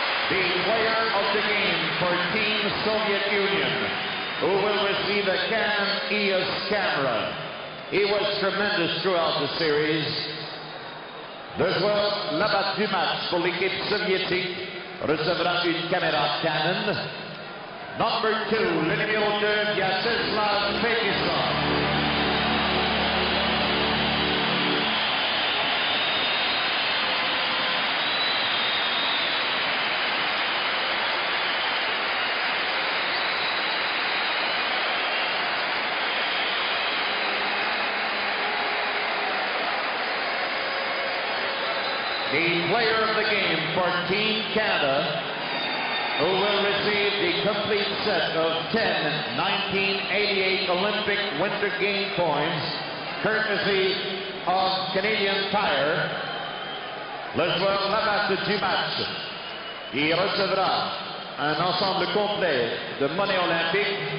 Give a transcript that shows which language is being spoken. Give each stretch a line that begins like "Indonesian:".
English: The player of the game for Team Soviet Union, who will receive a Canon EOS camera. He was tremendous throughout the series.
French: Le joueur là-bas du match pour l'équipe soviétique recevra une caméra Canon.
English: Number two,
French: le numéro 2, Vyacheslav Fekisov.
English: The player of the game for Team Canada, who will receive the complete set of 10 1988 Olympic Winter Game points, courtesy of Canadian Tire.
French: Le joueur là-bas du match, qui recevra un ensemble complet de monnaie olympique.